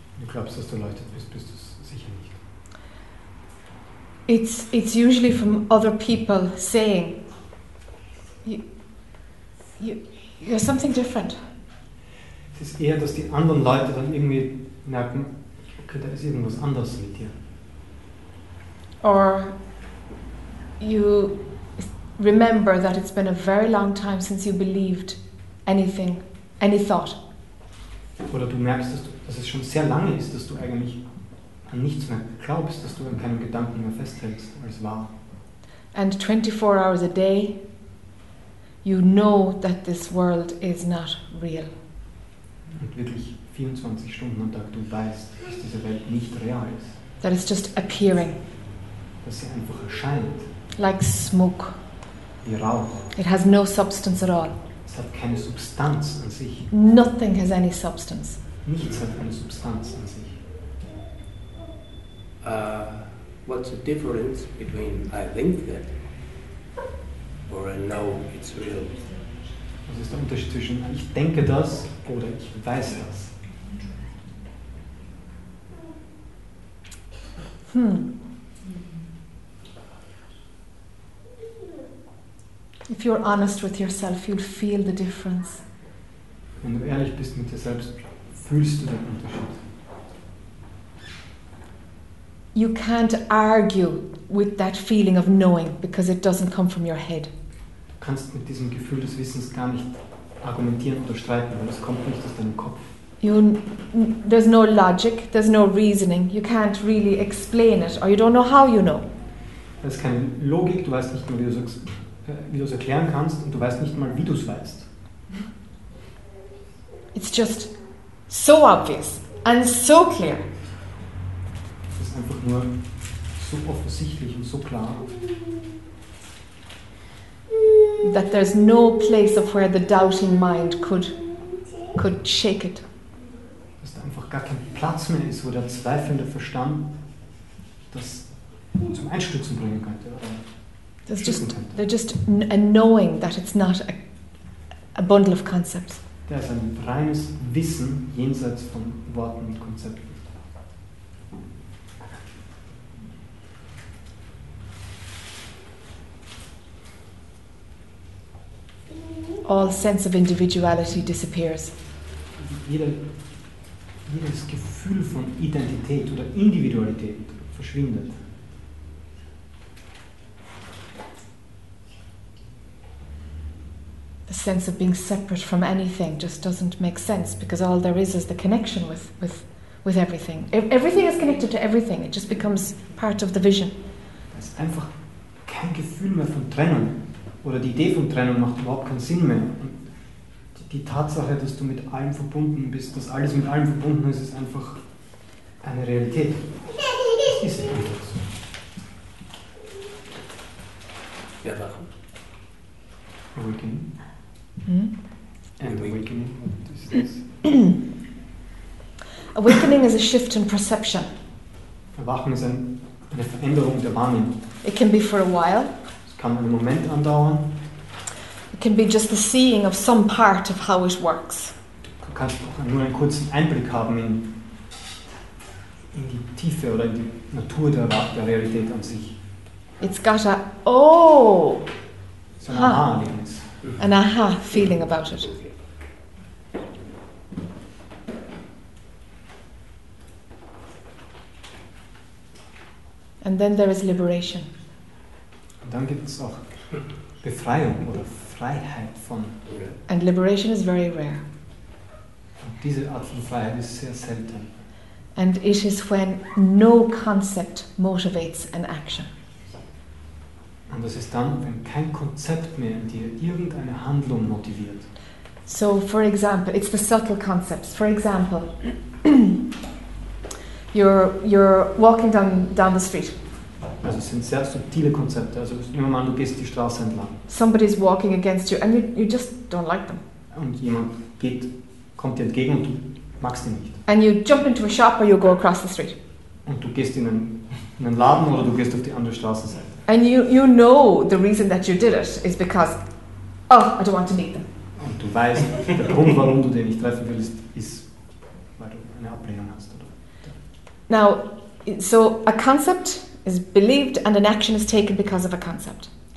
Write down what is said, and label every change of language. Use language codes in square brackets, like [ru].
[de] Glaubst, dass du erleuchtet bist, bist du sicher nicht. [en] It's usually from other people saying you're something different. [de] Es ist eher, dass die anderen Leute dann irgendwie merken, okay, da ist irgendwas anders mit dir. [en] Or you remember that it's been a very long time since you believed anything, any thought. [de] Oder du merkst, dass es schon sehr lange ist, dass du eigentlich an nichts mehr glaubst, dass du an keinen Gedanken mehr festhältst, als wahr. [en] And 24 hours a day, you know that this world is not real. [de] Und wirklich 24 Stunden am Tag, du weißt, dass diese Welt nicht real ist. [en] That it's just appearing. [de] Dass sie einfach erscheint. [en] Like smoke. [de] Wie Rauch. [en] It has no substance at all. [de] Es hat keine Substanz an sich. [en] Nothing has any substance. [de] Nichts hat eine Substanz an sich. [en] What's the difference between I think that or I know it's real? [de] Was ist der Unterschied zwischen ich denke das oder ich weiß das? [en] If you're honest with yourself, you'll feel the difference. [de] Wenn du ehrlich bist mit dir selbst, fühlst du den Unterschied. [en] You can't argue with that feeling of knowing, because it doesn't come from your head. [de] Du kannst mit diesem Gefühl des Wissens gar nicht argumentieren oder streiten, weil es kommt nicht aus deinem Kopf. [en] There's no logic, there's no reasoning. You can't really explain it, or you don't know how you know. [de] Es ist keine Logik, du weißt nicht mal, wie du es erklären kannst, und du weißt nicht mal, wie du es weißt. [en] It's just so obvious and so clear. [de] Es ist einfach nur so offensichtlich und so klar. [en] That there's no place of where the doubting mind could shake it. [de] Dass da einfach gar kein Platz mehr ist, wo der zweifelnde Verstand das zum Einstürzen bringen könnte. [en] There's just a knowing that it's not a bundle of concepts. [de] Das ist ein reines Wissen jenseits von Worten und Konzepten. [en] All sense of individuality disappears. [de] Jedes Gefühl von Identität oder Individualität verschwindet. [en] The sense of being separate from anything just doesn't make sense, because all there is the connection with everything. Everything is connected to everything. It just becomes part of the vision. [de] Es ist einfach kein Gefühl mehr von Trennung. Oder die Idee von Trennung macht überhaupt keinen Sinn mehr. Und die Tatsache, dass du mit allem verbunden bist, dass alles mit allem verbunden ist, ist einfach eine Realität. Das ist einfach so. Ja, warum? [en] Awakening. And awakening, what is this? Awakening is a shift in perception. [de] Erwachen ist eine Veränderung der Wahrnehmung. [en] It can be for a while. [de] Es kann einen Moment andauern. [en] It can be just the seeing of some part of how it works. [de] Du kannst auch nur einen kurzen Einblick haben in die Tiefe oder in die Natur der Realität an sich. [en] It's got a oh, [de] Aha-Erlebnis. [en] An aha feeling about it. And then there is liberation. [de] Und dann gibt es auch Befreiung oder Freiheit von. [en] And liberation is very rare. [de] Und diese Art von Freiheit ist sehr selten. [en] And it is when no concept motivates an action. [de] Und das ist dann, wenn kein Konzept mehr in dir irgendeine Handlung motiviert. [en] So, for example, it's the subtle concepts. For example, you're walking down the street. [de] Also es sind sehr subtile Konzepte. Also nehmen wir mal, du gehst die Straße entlang. [en] Somebody is walking against you and you just don't like them. [de] Und jemand kommt dir entgegen und du magst ihn nicht. [en] And you jump into a shop or you go across the street. [de] Und du gehst in einen Laden oder du gehst auf die andere Straßenseite. [en] And you know the reason that you did it is because, oh, I don't want to meet them. [de] Und du weißt, der Grund, warum du den nicht treffen willst, ist, weil du eine Ablehnung hast. Oder? [en] Now, so a concept is believed and an action is taken because of a concept.